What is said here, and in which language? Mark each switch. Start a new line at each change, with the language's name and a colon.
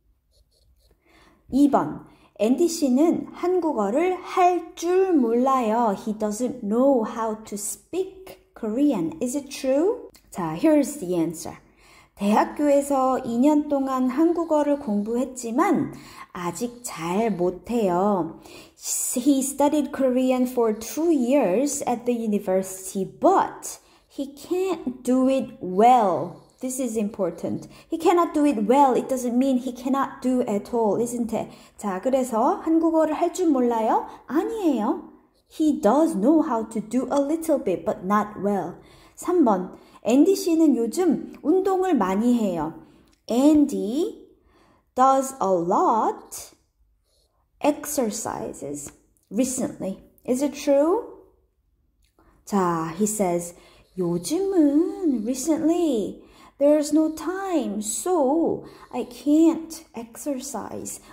Korean: 2번, 앤디 씨는 한국어를 할 줄 몰라요.
English: He doesn't know how to speak Korean. Is it true? 자, here's the answer.
Korean: 대학교에서 2년 동안 한국어를 공부했지만 아직 잘 못해요.
English: He studied Korean for 2 years at the university, but he can't do it well. This is important. He cannot do it well. It doesn't mean he cannot do at all, isn't it?
Korean: 자, 그래서 한국어를 할 줄 몰라요? 아니에요.
English: He does know how to do a little bit, but not well.
Korean: 3번. 앤디 씨는 요즘 운동을 많이 해요.
English: Andy does a lot exercises recently. Is it true? 자, he says, 요즘은 recently, there's no time, so I can't exercise.